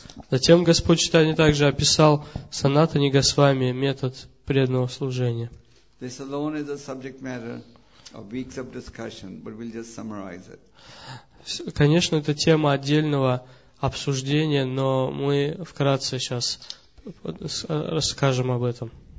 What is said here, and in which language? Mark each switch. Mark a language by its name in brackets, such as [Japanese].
[Russian] Затем Господь Чайтанья также описал Санатани Госвами метод преданного служения. [English] This alone is a subject matter of weeks of discussion, but we'll just summarize it. [Russian] Конечно, это тема отдельного обсуждение, но мы вкратце сейчас расскажем об этом.